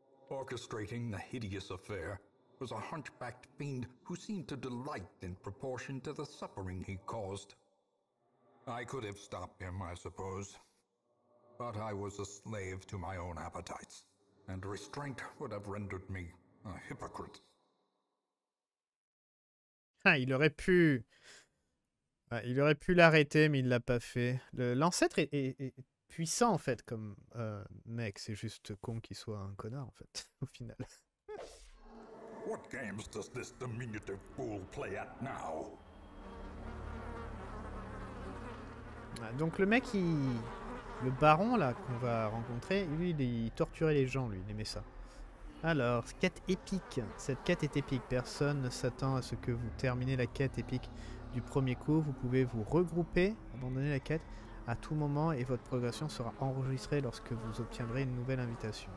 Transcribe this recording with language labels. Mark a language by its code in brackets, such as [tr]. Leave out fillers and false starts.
[en] Orchestrating the hideous affair was a hunchbacked fiend who seemed to delight in proportion to the suffering he caused. I could have stopped him, I suppose. But I was a slave to my own appetites, and restraint would have rendered me a hypocrite. [fr] Ah, il aurait pu. Ah, il aurait pu l'arrêter, mais il l'a pas fait. L'ancêtre est puissant, en fait, comme mec. C'est juste con qu'il soit un connard, en fait, au final. [en] What games does this diminutive fool play at now? [fr] Ah, donc, le mec, il. Le baron, là, qu'on va rencontrer, lui, il torturait les gens, lui, il aimait ça. Alors, quête épique. Cette quête est épique. Personne ne s'attend à ce que vous terminez la quête épique du premier coup. Vous pouvez vous regrouper, abandonner la quête à tout moment et votre progression sera enregistrée lorsque vous obtiendrez une nouvelle invitation.